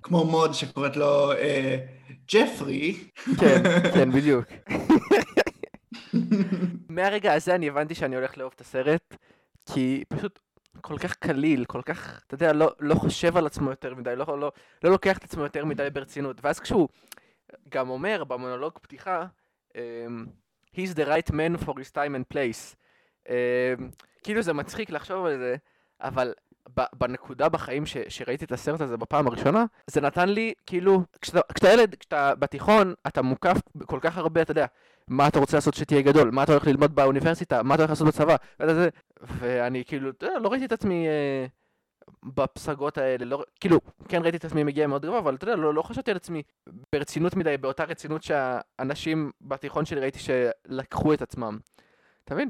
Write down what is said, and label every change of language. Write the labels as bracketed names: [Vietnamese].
[Hebrew] כמו מוד שקוראת לו ג'פרי. כן, בדיוק. מהרגע הזה אני הבנתי שאני הולך לאהוב את הסרט, כי פשוט... כל כך קליל, כל כך, אתה יודע, לא חושב על עצמו יותר מדי, לא לוקח את עצמו יותר מדי ברצינות. ואז כשהוא גם אומר במונולוג פתיחה, [English] he's the right man for his time and place. [Hebrew] כאילו זה מצחיק לחשוב על זה, אבל בנקודה בחיים שראיתי את הסרט הזה בפעם הראשונה, זה נתן לי, כאילו, כשאתה ילד, כשאתה בתיכון, אתה מוקף כל כך הרבה, אתה יודע, מה אתה רוצה לעשות שתהיה גדול? מה אתה הולך ללמוד באוניברסיטה? מה אתה הולך לעשות בצבא? ואני כאילו, לא ראיתי את עצמי בפסגות האלה, לא, כאילו, כן ראיתי את עצמי מגיע מאוד גבוה, אבל אתה יודע, לא חשבתי על עצמי ברצינות מדי, באותה רצינות שהאנשים בתיכון שלי ראיתי שלקחו את עצמם. אתה מבין?